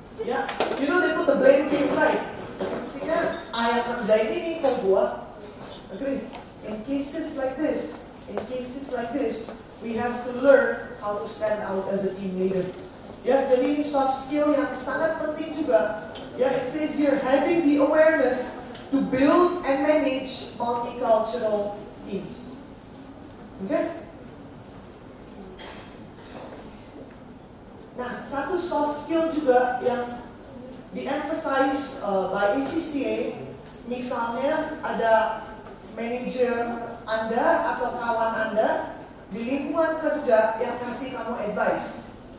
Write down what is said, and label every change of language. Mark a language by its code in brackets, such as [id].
[en] Ya, yeah. You know they put the blame game, right? [id] Maksudnya, ayah kerjain ini kok gua. [en] Agree? In cases like this, we have to learn how to stand out as a team leader. [id] Ya, yeah, jadi ini soft skill yang sangat penting juga. [en] Ya, yeah, it says here, having the awareness to build and manage multicultural teams. Okay? [id] Nah, satu soft skill juga yang di-emphasize by ECCA, misalnya ada manager Anda atau kawan Anda di lingkungan kerja yang kasih kamu advice.